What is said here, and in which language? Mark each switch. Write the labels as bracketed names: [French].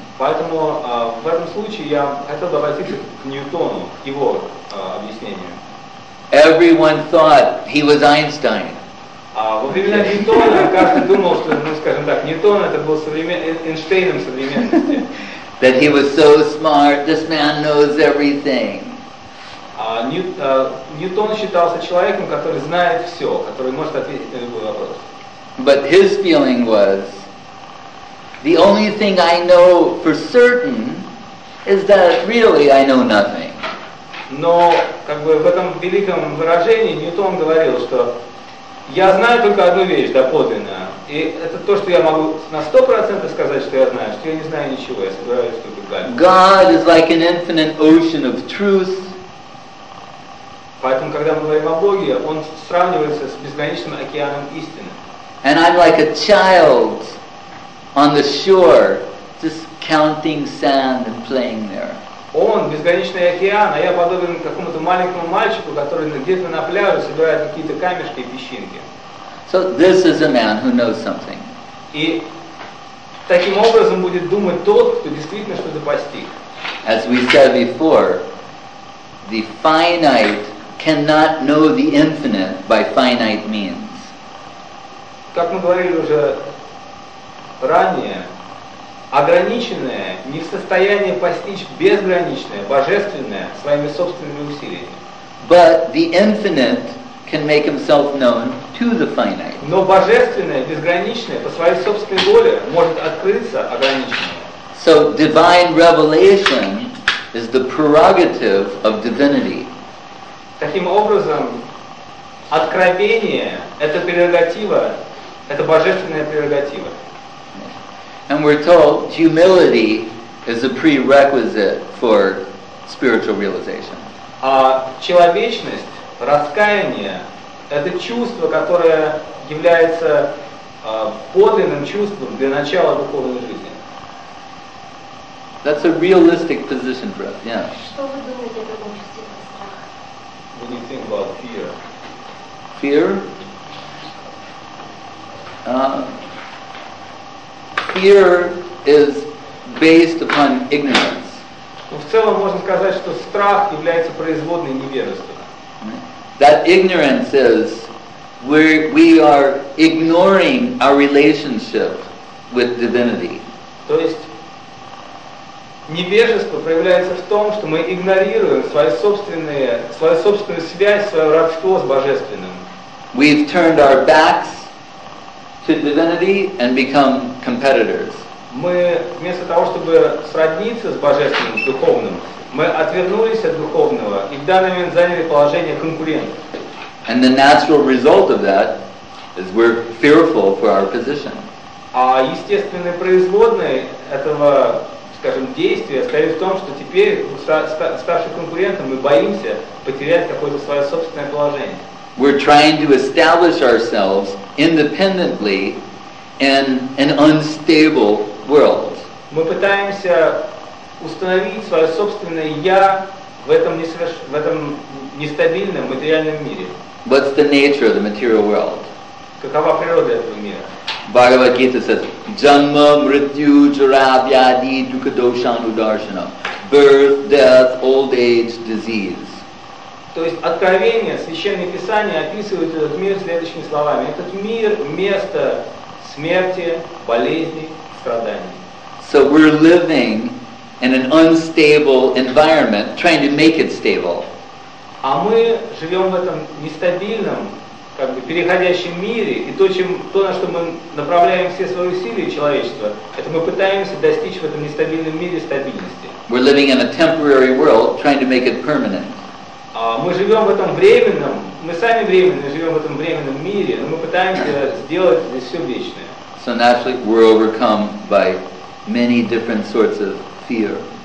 [Russian] Поэтому в этом случае я хотел бы обратиться к Ньютону, к его объяснению. [English] Everyone thought he was Einstein. [Russian] Во времена Ньютона каждый думал, что, ну, скажем так, Ньютон это был Эйнштейном современности. [English] That he was so smart, this man knows everything. [Russian] Ньютон считался человеком, который знает все, который может ответить на любой вопрос. [English] But his feeling was, the only thing I know for certain is that really I know nothing. [Russian] Но как бы в этом великом выражении Ньютон говорил, что я знаю только одну вещь доподлинно, и это то, что я могу на 100% сказать, что я знаю, что я не знаю ничего, я собираюсь только гадить. [English] God is like an infinite ocean of truth. [Russian] Поэтому, когда мы говорим о Боге, он сравнивается с безграничным океаном истины. [English] And I'm like a child on the shore, just counting sand and playing there. [Russian] Он безграничный океан, а я подобен какому-то маленькому мальчику, который где-то на пляже собирает какие-то камешки и песчинки. [English] So this is a man who knows something. [Russian] И таким образом будет думать тот, кто действительно что-то постиг. [English] As we said before, the finite cannot know the infinite by finite means. [Russian] Как мы говорили уже ранее, ограниченное не в состоянии постичь безграничное, божественное своими собственными усилиями. [English] But the infinite can make himself known to the finite. [Russian] Но божественное, безграничное по своей собственной воле может открыться ограниченному. [English] So divine revelation is the prerogative of divinity. [Russian] Таким образом, откровение — это прерогатива, это божественная прерогатива. [English] And we're told humility is a prerequisite for spiritual realization. [Russian] А человечность, раскаяние — это чувство, которое является подлинным чувством для начала духовной жизни. [English] That's a realistic position for us, yeah. [Russian] Что вы думаете об этом чувстве страха? [English] What do you think about fear? Fear? Fear is based upon ignorance. [Russian] В целом можно сказать, что страх является производной невежества. [English] That ignorance is where we are ignoring our relationship with divinity. [Russian] То есть невежество проявляется в том, что мы игнорируем свою собственную связь, свое родство с Божественным. [English] We've turned our backs to divinity and become competitors. [Russian] Мы вместо того, чтобы сродниться с Божественным, с Духовным, мы отвернулись от Духовного и в данный момент заняли положение конкурента. [English] And the natural result of that is we're fearful for our position. [Russian] А естественной производной этого, скажем, действие стоит в том, что теперь, ставши конкурентом, мы боимся потерять какое-то свое собственное положение. [English] We're trying to establish ourselves independently in an unstable world. [Russian] Мы пытаемся установить свое собственное «я» в этом нестабильном материальном мире. [English] What's the nature of the material world? [Russian] Какова природа этого мира? [Sanskrit] Bhagavad Gita says, Janma, Mrityu, Jara, Vyadi, Dukkha, Dosha, Anudarshana. [English] Birth, death, old age, disease. [Russian] То есть откровение, священное писание описывает этот мир следующими словами. Этот мир – место смерти, болезни, страданий. [English] So we're living in an unstable environment, trying to make it stable. [Russian] А мы живем в этом нестабильном, как бы переходящем мире, и то, на что мы направляем все свои усилия человечества, это мы пытаемся достичь в этом нестабильном мире стабильности. [English] We're living in a temporary world, trying to make it permanent. [Russian] Мы живем в этом временном, мы сами временные, живем в этом временном мире, но мы пытаемся сделать здесь все вечное. [English] So naturally, we're overcome by many different sorts of fear.